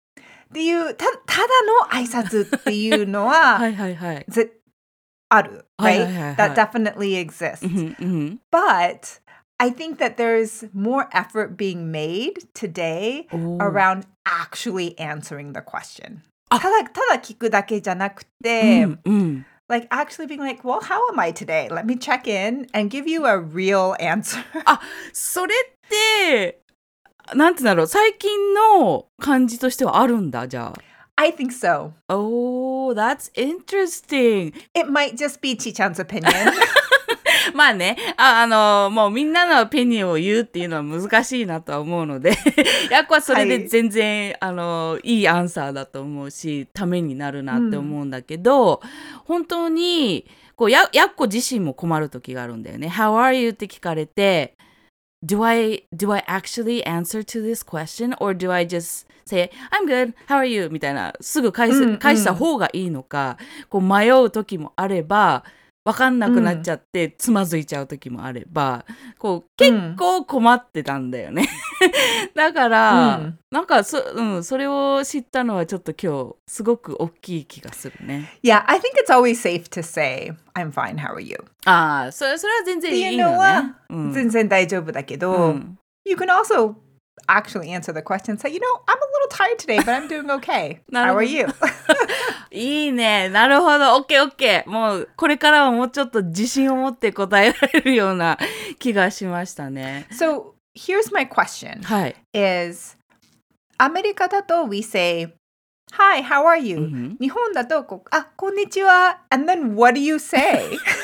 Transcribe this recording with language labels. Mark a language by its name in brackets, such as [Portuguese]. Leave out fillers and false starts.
[Japanese] っていう、ただの挨拶っていうのは、はいはいはい。 [English] Right? That definitely exists. But I think that there's more effort being made today around actually answering the question. [Japanese] ただ聞くだけじゃなくて, [English] like actually being like, well, how am I today? Let me check in and give you a real answer. [Japanese] それって、なんて言うんだろう、最近の感じとしてはあるんだ、じゃあ。 [English] I think so. Oh, that's interesting. It might just be Chi-chan's opinion. [Japanese] まあね、もうみんなのオピニオンを言うっていうのは難しいなとは思うので、やっこはそれで全然、はい、いいアンサーだと思うし、ためになるなって思うんだけど、本当にこう、やっこ自身も困る時があるんだよね。 [English] How are you? [Japanese] って聞かれて、 [English] Do I actually answer to this question or do I just say I'm good, how are you? [Japanese] みたいなすぐ返した方がいいのか、こう迷う時もあれば分かんなくなっちゃってつまずいちゃう時もあれば、こう結構困ってたんだよね。だからなんかそれを知ったのはちょっと今日すごく大きい気がするね。 [English] Yeah, I think it's always safe to say I'm fine, how are you? [Japanese] ああ、それは全然いいよね。 [English] You know what? [Japanese] 全然大丈夫だけど、 [English] You can also actually answer the question and say, you know, I'm a little tired today, but I'm doing okay. How are you? [Japanese] いいね。なるほど。OK, OK. もうこれからはもうちょっと自信を持って答えられるような気がしましたね。 [English] So, here's my question. [Japanese] はい。 [English] Is, [Japanese] アメリカだと [English] we say, hi, how are you? [Japanese] 日本だとこんにちは。 [English] And then what do you say?